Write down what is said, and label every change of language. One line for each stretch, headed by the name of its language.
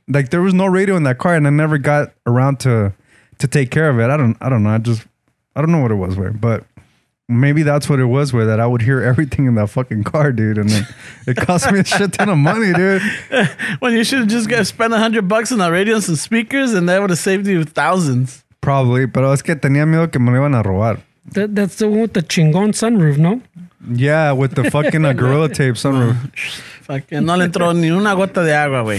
English: Like there was no radio in that car, and I never got around to take care of it. I don't know. I don't know what it was, where, but maybe that's what it was, where that I would hear everything in that fucking car, dude. And it cost me a shit ton of money, dude. Well, you should have just spent $100 on that radio and some speakers, and that would have saved you thousands.
Spanish: Probably, pero es que tenía miedo que me lo iban a robar.
English: That's the one with the chingon sunroof, no? Yeah, with the fucking Gorilla Tape sunroof.
Spanish: Fucking no le entró ni una gota de agua, güey.